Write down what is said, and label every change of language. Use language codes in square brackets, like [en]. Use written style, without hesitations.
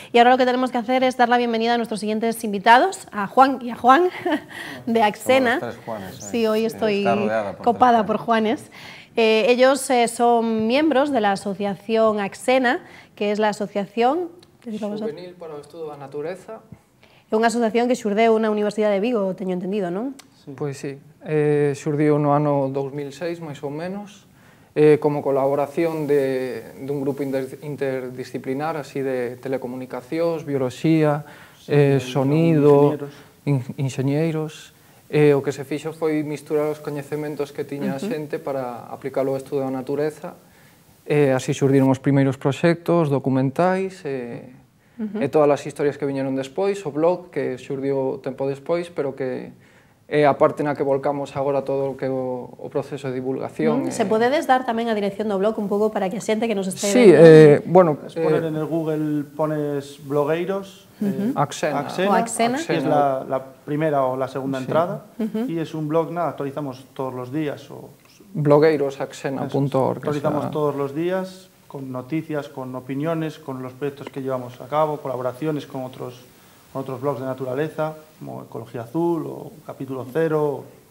[es] Y ahora lo que tenemos que hacer es dar la bienvenida a nuestros siguientes invitados, a Juan y a Juan, de AXENA. Sí, hoy estoy copada por Juanes. Ellos son miembros de la asociación AXENA, que es la asociación [gl] Juvenil para o Estudo da Natureza. É unha asociación que xurdeu na Universidade de Vigo, teño entendido, non? Pois sí, xurdeu no ano 2006, máis ou menos, como colaboración dun grupo interdisciplinar, así de telecomunicacións, bioloxía, sonido, ingenieros. O que se fixo foi misturar os coñecementos que tiña a xente para aplicarlo ao Estudo da Natureza. Así xurdiron os primeiros proxectos, documentais e todas as historias que viñeron despois, o blog que xurdiu tempo despois, pero que é a parte na que volcamos agora todo o que o proceso de divulgación. Se podedes dar tamén a dirección do blog un pouco para que a xente que nos este... Sí, bueno... [es] Es poner en el Google, pones blogueiros... AXENA. O AXENA. Que es la primera ou la segunda entrada. [gl] E es un blog, nada, actualizamos todos os días o... blogueirosaxena.org. [es] Realizamos todos los días con noticias, con opiniones, con los proyectos que llevamos a cabo, colaboraciones con otros blogs de naturaleza, como Ecología Azul o Capítulo Cero.